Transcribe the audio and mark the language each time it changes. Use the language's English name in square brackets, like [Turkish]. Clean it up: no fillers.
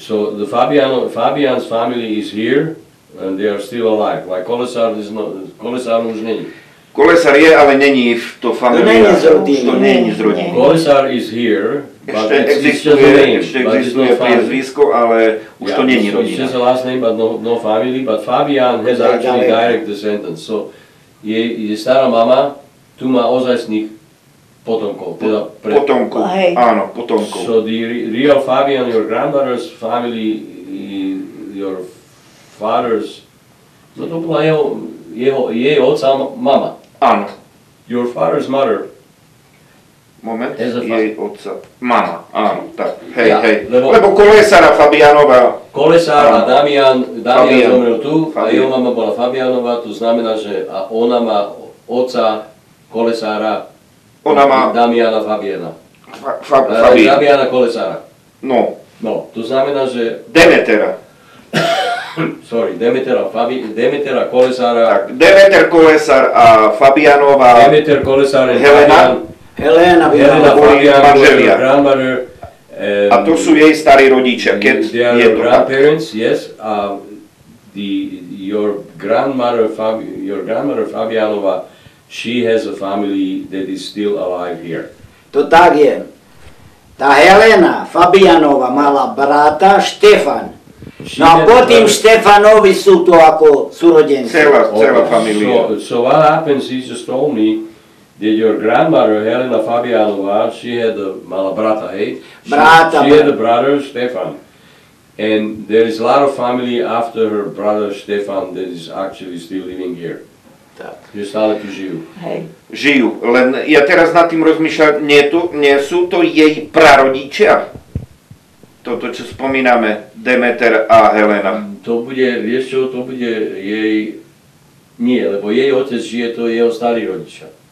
[English] So the Fabian's family is here. And they are still alive. Like Kolesar is not, [Slovak] Kolesar už není. Kolesar je, ale není v to familia. To není z rodiny. To není z rodiny. [English] Kolesar is here, but [Slovak] existuje priezvisko, ale už to není rodina. [English] It's just a last name, but no family. But Fabian has actually direct descendants. [Slovak] So je stará mama, tu má ozajstných potomkov. Potomkov, áno, potomkov. [English] So the real Fabian, your grandmother's family, your father's, [Slovak] no to bola jej otca mama. Áno. [English] Your father's mother. [Slovak] Moment, jej otca mama, áno, tak, hej. Lebo Kolesara Fabianova. Kolesar a Damian zomrel tu, Fabian. A jeho mama bola Fabianova, to znamená, že a ona má otca Kolesara, ona má Damiana Fabiana. Fabian. Damiana Kolesara. No. No, to znamená, že Demetera. Sorry, Demetera Kolesara. Tak, Demeter Kolesar a Fabianova. Demeter Kolesar a Helena. Helena Fabian, manželia. [English] Grandmother. [Slovak] A to sú jej starí rodičia, keď [English] they are [Slovak] je to [English] grandparents, tak. Yes. Your grandmother Fabianova, she has a family that is still alive here. [Slovak] To tak je. Tá Helena Fabianova mala brata Štefan. No a potom Štefanovi sú to ako súrodenci. Celá familia. [English] So what happens, he just told me that your grandmother, Helena Fabianova, she had a [Slovak] mala brata, [English] hey? [Slovak] Brata. [English] She had a brother, Štefan. And there is a lot of family after her brother, Štefan, that is actually still living here. [Slovak] Tak. Že stále tu žijú. Hej. Žijú, len ja teraz nad tým rozmýšľam, nie sú to jej prarodičia? Toto, čo spomíname, Demeter a Helena. To bude, vieš čo, to bude jej, nie, lebo jej otec žije, to je jeho starý rodičia.